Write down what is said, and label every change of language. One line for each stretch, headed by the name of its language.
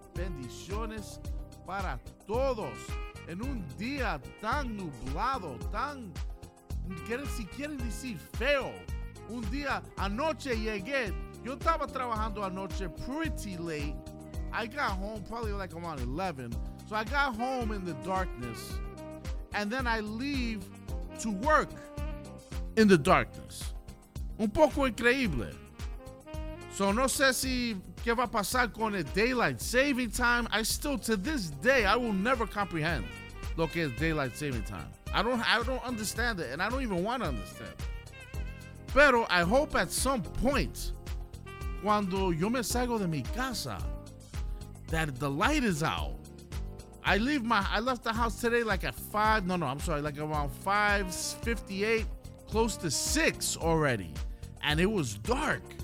Spanish: Bendiciones para todos. En un día tan nublado, tan, si quieren decir feo, un día, anoche llegué, yo estaba trabajando anoche
English: pretty late. I got home probably like around 11. So I got home in the darkness. And then I leave to work in the darkness.
Spanish: Un poco increíble. So no sé si qué va a pasar con el daylight saving time.
English: I still, to this day, I will never comprehend
Spanish: lo que es
English: daylight saving time. I don't understand it. And I don't even want to understand it.
Spanish: Pero
English: I hope at some point,
Spanish: cuando yo me salgo de mi casa,
English: that the light is out. I left the house today like at 5. No, I'm sorry. Like around 5:58, close to 6 already. And it was dark.